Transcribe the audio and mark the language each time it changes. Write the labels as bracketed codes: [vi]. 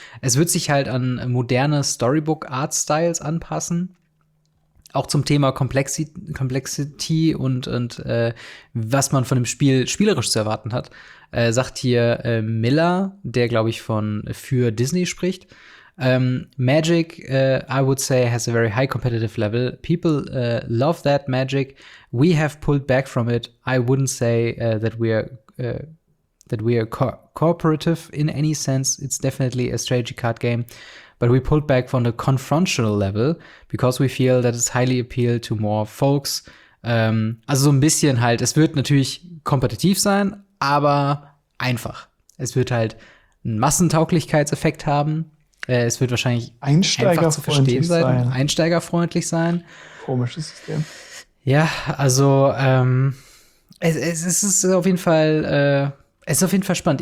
[de] Es wird sich halt an moderne Storybook-Art-Styles anpassen. Auch zum Thema Complexity und was man von dem Spiel spielerisch zu erwarten hat, sagt hier Miller, der, glaube ich, für Disney spricht. [en] Magic, I would say, has a very high competitive level. People love that magic. We have pulled back from it. I wouldn't say that we are cooperative in any sense. It's definitely a strategy card game. But we pulled back from the confrontational level because we feel that it's highly appealed to more folks. [de] Also so ein bisschen halt, es wird natürlich kompetitiv sein, aber einfach. Es wird halt einen Massentauglichkeitseffekt haben. Es wird wahrscheinlich einfach zu verstehen sein. Einsteigerfreundlich sein. Komisches System. Ja, also es ist auf jeden Fall spannend.